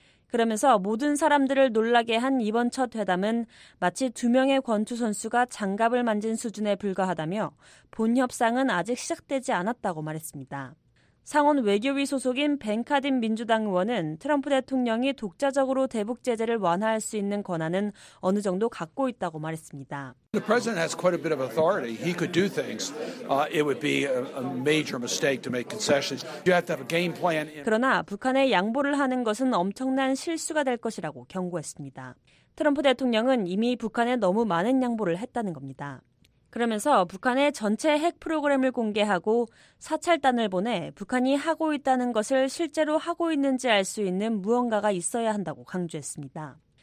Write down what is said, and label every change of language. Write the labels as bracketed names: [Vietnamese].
[Korean] 그러면서 모든 사람들을 놀라게 한 이번 첫 회담은 마치 두 명의 권투 선수가 장갑을 만진 수준에 불과하다며 본 협상은 아직 시작되지 않았다고 말했습니다. 상원 외교위 소속인 벤 카딘 민주당 의원은 트럼프 대통령이 독자적으로 대북 제재를 완화할 수 있는 권한은 어느 정도 갖고 있다고 말했습니다. [English] The president has quite a bit of authority. He could do things. It would be a major mistake to make concessions. You have to have a game plan. [Korean] 그러나 북한에 양보를 하는 것은 엄청난 실수가 될 것이라고 경고했습니다. 트럼프 대통령은 이미 북한에 너무 많은 양보를 했다는 겁니다. 그러면서 북한의 전체 핵 프로그램을 공개하고 사찰단을 보내 북한이 하고 있다는 것을 실제로 하고 있는지 알 수 있는 무언가가 있어야 한다고 강조했습니다.